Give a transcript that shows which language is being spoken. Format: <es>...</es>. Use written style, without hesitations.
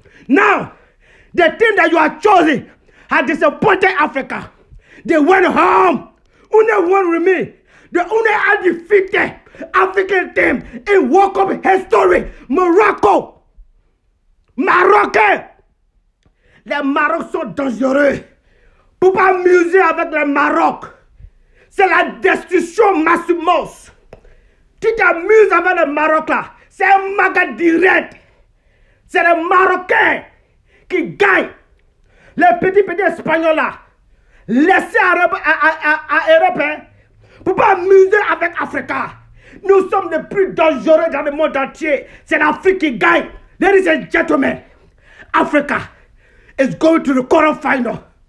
<en>Now, the team that you have chosen has disappointed Africa. They went home. Only one remain. The only undefeated African team in World Cup history, Morocco.</en> <fr>Marocain. Les Marocs sont dangereux. Pour pas m'amuser avec le Maroc, c'est la destruction massive. Tu t'amuses avec le Maroc là. C'est un maga direct. C'est le Marocain qui gagne. Le petit espagnol là. Laissez à Europe. Hein. Pour pas amuser avec Africa. Nous sommes les plus dangereux dans le monde entier. C'est l'Afrique qui gagne.</fr> <en>Ladies and gentlemen, Africa is going to the quarterfinal.</en>